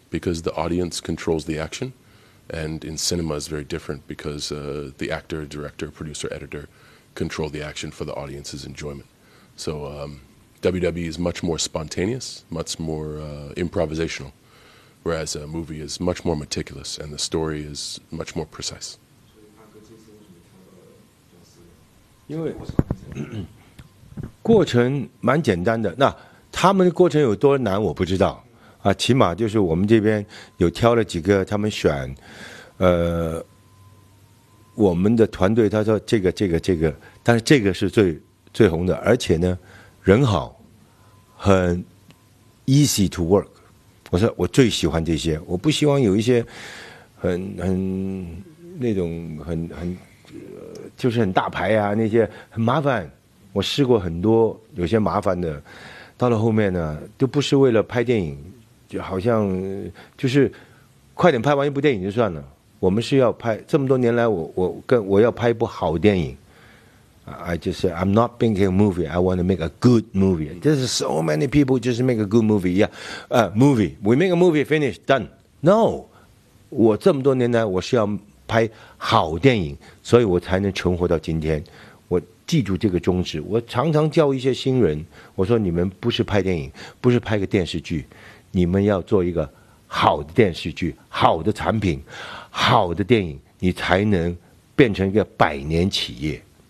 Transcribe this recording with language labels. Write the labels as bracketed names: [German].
[English] Because the audience controls the action, and in cinema is very different because the actor, director, producer, editor control the action for the audience's enjoyment. So WWE is much more spontaneous, much more improvisational, whereas a movie is much more meticulous and the story is much more precise. [Chinese] 因为过程蛮简单的，那他们的过程有多难我不知道。啊，起码就是我们这边有挑了几个，他们选，我们的团队他说这个，但是这个是最红的，而且呢，人好，很 [English] easy to work。 [Chinese] 我说我最喜欢这些，我不希望有一些很那种很就是很大牌啊那些很麻烦。我试过很多有些麻烦的，到了后面呢，都不是为了拍电影。就好像就是快点拍完一部电影就算了，我们是要拍这么多年来我要拍一部好电影。 [English] I just say I'm not making a movie, I want to make a good movie. There's so many people just make a good movie. Yeah, movie, we make a movie, finish, done. [Chinese] No, 我这么多年来我是要拍好电影，所以我才能存活到今天。我记住这个宗旨，我常常教一些新人，我说你们不是拍电影，不是拍个电视剧，你们要做一个好的电视剧、好的产品、好的电影，你才能变成一个百年企业。